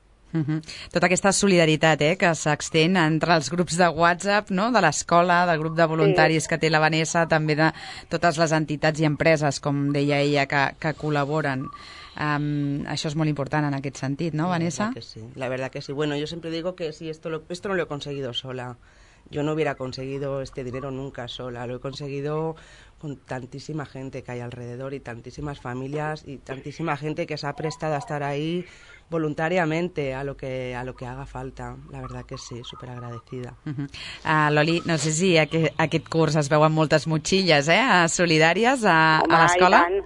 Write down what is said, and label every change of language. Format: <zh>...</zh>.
<ca>Uh-huh. Tota aquesta solidaritat que s'extén entre els grups de WhatsApp, no?, de l'escola, del grup de voluntaris, sí, que té la Vanessa, també de totes les entitats i empreses, com deia ella, que col·laboren. Això és molt important en aquest sentit, no, Vanessa?</ca> <es>La verdad que sí. La verdad que sí. Bueno, yo siempre digo que sí, esto no lo he conseguido sola. Yo no hubiera conseguido este dinero nunca sola. Lo he conseguido con tantísima gente que hay alrededor y tantísimas familias y tantísima gente que se ha prestado a estar ahí voluntàriament a lo que haga falta.</es> <ca>La veritat que sí,</ca> <es>super agradecida. Uh-huh.</es> <ca>Loli, no sé si aquest curs es veuen moltes motxilles solidàries a l'escola.</ca>